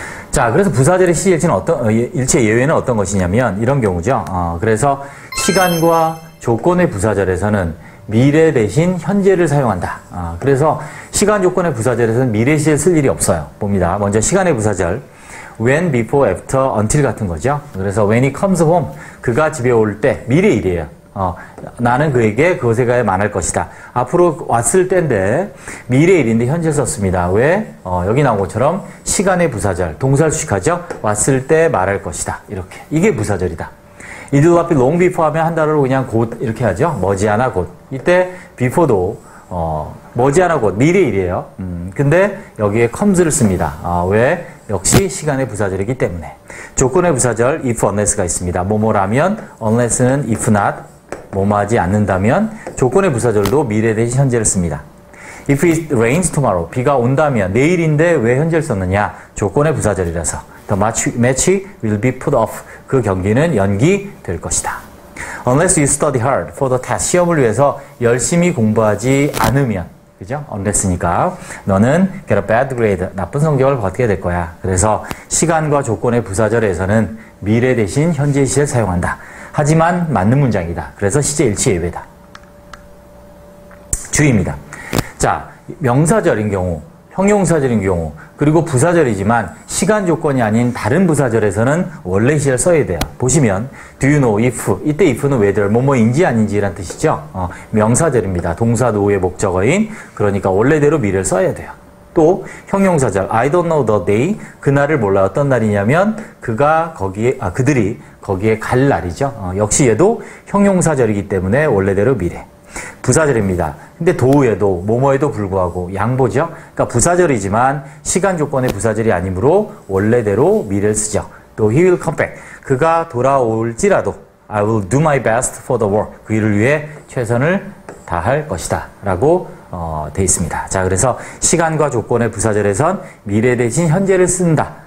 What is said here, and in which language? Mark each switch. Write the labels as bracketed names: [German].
[Korean] 자, 그래서 부사절의 시제일치는 어떤, 일체 예외는 어떤 것이냐면 이런 경우죠. 그래서 시간과 조건의 부사절에서는 미래 대신 현재를 사용한다. 그래서 시간 조건의 부사절에서는 미래 시제 쓸 일이 없어요. 봅니다. 먼저 시간의 부사절. When, before, after, until 같은 거죠. 그래서 [English] when he comes home, [Korean] 그가 집에 올 때, 미래 일이에요. 나는 그에게 그곳에 가야 말할 것이다. 앞으로 왔을 때인데, 미래 일인데 현재 썼습니다. 왜? 여기 나온 것처럼 시간의 부사절, 동사를 수식하죠. 왔을 때 말할 것이다. 이렇게. 이게 부사절이다. [English] It will be long before [Korean] 하면 한 달을 그냥 곧 이렇게 하죠. 머지않아 곧. 이때 before도 머지않아 곧, 미래 일이에요. 근데 여기에 comes를 씁니다. 왜? 역시 시간의 부사절이기 때문에. 조건의 부사절 if, unless가 있습니다. 뭐뭐라면, unless는 if not, 뭐뭐하지 않는다면, 조건의 부사절도 미래 대신 현재를 씁니다. [English] If it rains tomorrow, [Korean] 비가 온다면, 내일인데 왜 현재를 썼느냐? 조건의 부사절이라서. [English] The match will be put off. [Korean] 그 경기는 연기될 것이다. [English] Unless you study hard for the test. [Korean] 시험을 위해서 열심히 공부하지 않으면. 그죠? unless니까. 너는 [English] get a bad grade. [Korean] 나쁜 성적을 받게 될 거야. 그래서 시간과 조건의 부사절에서는 미래 대신 현재 시제를 사용한다. 하지만 맞는 문장이다. 그래서 시제 일치 예외다. 주의입니다. 자, 명사절인 경우, 형용사절인 경우, 그리고 부사절이지만 시간 조건이 아닌 다른 부사절에서는 원래 시제를 써야 돼요. 보시면 [English] do you know if, [Korean] 이때 if는 whether, 뭐뭐인지 아닌지 라는 뜻이죠. 명사절입니다. 동사 노후의 목적어인, 그러니까 원래대로 미래를 써야 돼요. 또 형용사절 [English] I don't know the day, [Korean] 그날을 몰라. 어떤 날이냐면 그가 거기에, 그들이 거기에 갈 날이죠. 역시 얘도 형용사절이기 때문에 원래대로 미래. 부사절입니다. 근데 도우에도 뭐뭐에도 불구하고 양보죠. 그러니까 부사절이지만 시간 조건의 부사절이 아니므로 원래대로 미래를 쓰죠. 또 [English] he will come back. [Korean] 그가 돌아올지라도 [English] I will do my best for the work. [Korean] 그 일을 위해 최선을 다할 것이다. 라고 돼 있습니다. 자, 그래서 시간과 조건의 부사절에선 미래 대신 현재를 쓴다.